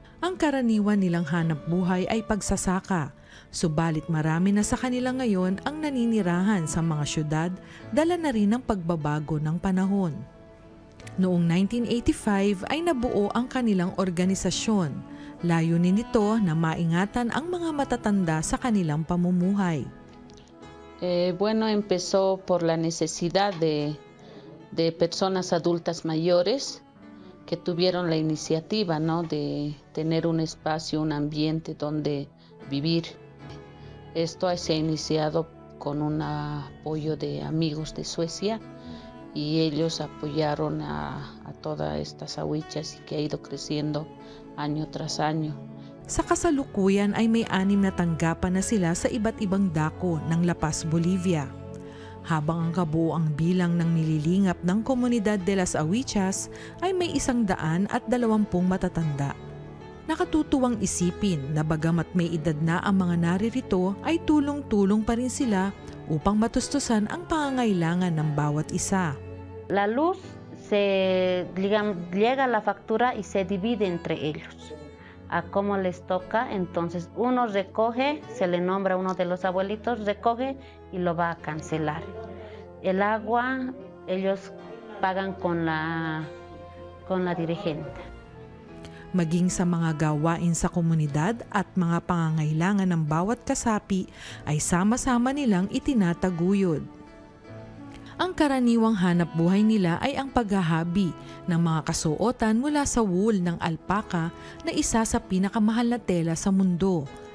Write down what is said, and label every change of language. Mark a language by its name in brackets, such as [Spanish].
[Filipino] Ang karaniwan nilang hanap buhay ay pagsasaka, subalit marami na sa kanila ngayon ang naninirahan sa mga syudad dala na rin ng pagbabago ng panahon. Noong 1985 ay nabuo ang kanilang organisasyon. Layunin nito na maingatan ang mga matatanda sa kanilang pamumuhay. [Spanish] Bueno, empezó por la necesidad de personas adultas mayores que tuvieron la iniciativa, ¿no?, de tener un espacio, un ambiente donde vivir. Esto se ha iniciado con un apoyo de amigos de Suecia. Y ellos apoyaron a todas estas awichas que ha ido creciendo año tras año. [Filipino] Sa kasalukuyan ay may anim na tanggapan na sila sa iba't ibang dako ng La Paz, Bolivia. Habang ang kabuuang bilang ng nililingap ng komunidad de las Awichas ay may 120 matatanda. Nakatutuwang isipin na bagamat may edad na ang mga naririto, ay tulong-tulong pa rin sila upang matustusan ang pangangailangan ng bawat isa. [Spanish] La luz se llega la factura y se divide entre ellos. A como les toca, entonces uno recoge, se le nombra uno de los abuelitos, recoge y lo va a cancelar. El agua ellos pagan con la dirigente. [Filipino] Maging sa mga gawain sa komunidad at mga pangangailangan ng bawat kasapi ay sama-sama nilang itinataguyod. Ang karaniwang hanap buhay nila ay ang paghahabi ng mga kasuotan mula sa wool ng alpaka na isa sa pinakamahal na tela sa mundo.